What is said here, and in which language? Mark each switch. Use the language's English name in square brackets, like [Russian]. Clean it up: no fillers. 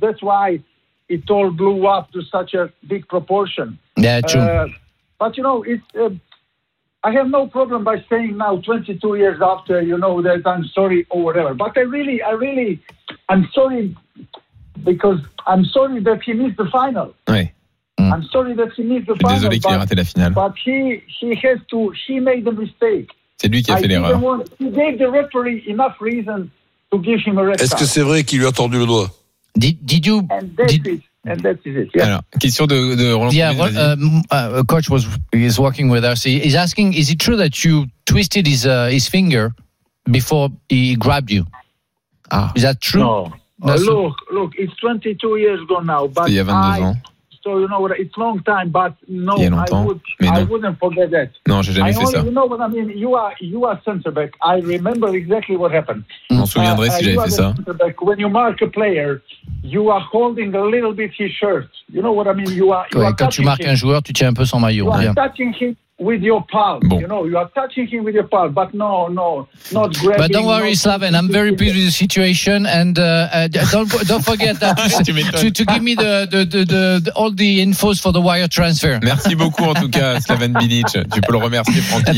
[English] That's why it all blew up to such a big proportion. Yeah, true. But you know, it's. I have no problem by saying now, 22 years after, you know, that I'm sorry or whatever. But I really, I'm sorry because I'm sorry that he missed the final. [French] Oui. [English] I'm sorry that he missed the final. [French] Je suis désolé qu'il ait raté la finale. [English] But he made the mistake. [French] C'est lui qui a fait l'erreur. [English] He gave the referee enough reason to give him a red card. [French] Est-ce que c'est vrai qu'il lui a tordu le doigt? [English] Did you? And that is it. Yeah. [French] Question de Roland. [English] Yeah, coach is working with us. He's asking, is it true that you twisted his finger before he grabbed you? Ah. Is that true? No. Look, it's 22 years ago now, but [French] il y a 22 ans. [English] So you know what, it's long time, but no, [French] il y a longtemps, [English] I wouldn't forget that. [French] Non, j'ai jamais fait ça. [English] You know what I mean? You are center back. I remember exactly what happened. [French] Je m'en souviendrai si j'avais fait ça. [English] When you mark a player, you are holding a little bit his shirt. You know what I mean? [French] Quand tu marques un joueur, tu tiens un peu son maillot. [English] You are touching him with your palm. [French] Bon. [English] You know, you are touching him with your palm. But no, not grabbing. But don't worry, Slaven. I'm very pleased with the situation. And don't forget that to give me the all the infos for the wire transfer. [French] Merci beaucoup, en tout cas, Slaven Bilic. Tu peux le remercier, Francky.